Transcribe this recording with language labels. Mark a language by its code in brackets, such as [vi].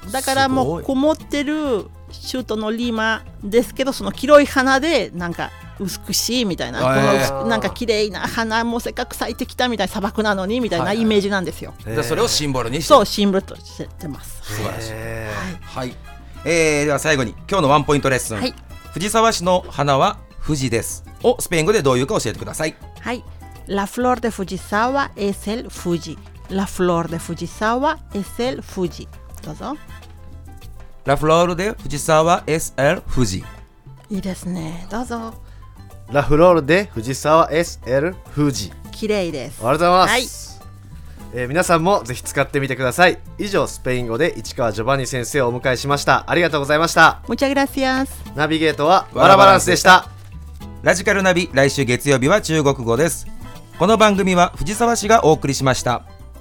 [ja] だからもうこもってる州都のリマですけど、その黄色い花でなんか美しいみたいな、なんか綺麗な花もせっかく咲いてきたみたいな、砂漠なのにみたいなイメージなんですよ、はいはそれをシンボルにして、そうシンボルとしてます。素晴らしい、はい、はい、では最後に今日のワンポイントレッスン、はい、藤沢市の花は藤です。をスペイン語でどういうか教えてください。はい。 [es] La flor de Fujisawa es el Fuji. La flor de Fujisawa es el Fuji. [ja] どうぞ。 [es] La flor de Fujisawa es el Fuji. [ja] いいですね。どうぞ。 [es] La flor de Fujisawa es el Fuji. [ja] 綺麗です。ありがとうございます。はい。皆さんもぜひ使ってみてください。以上、スペイン語で市川ジョバンニ先生をお迎えしました。ありがとうございました。 [es] ムチャグラシアス。 [ja] ナビゲートはワラバランスでした。ラジカルナビ、来週月曜日は中国語です。この番組は藤沢市がお送りしました。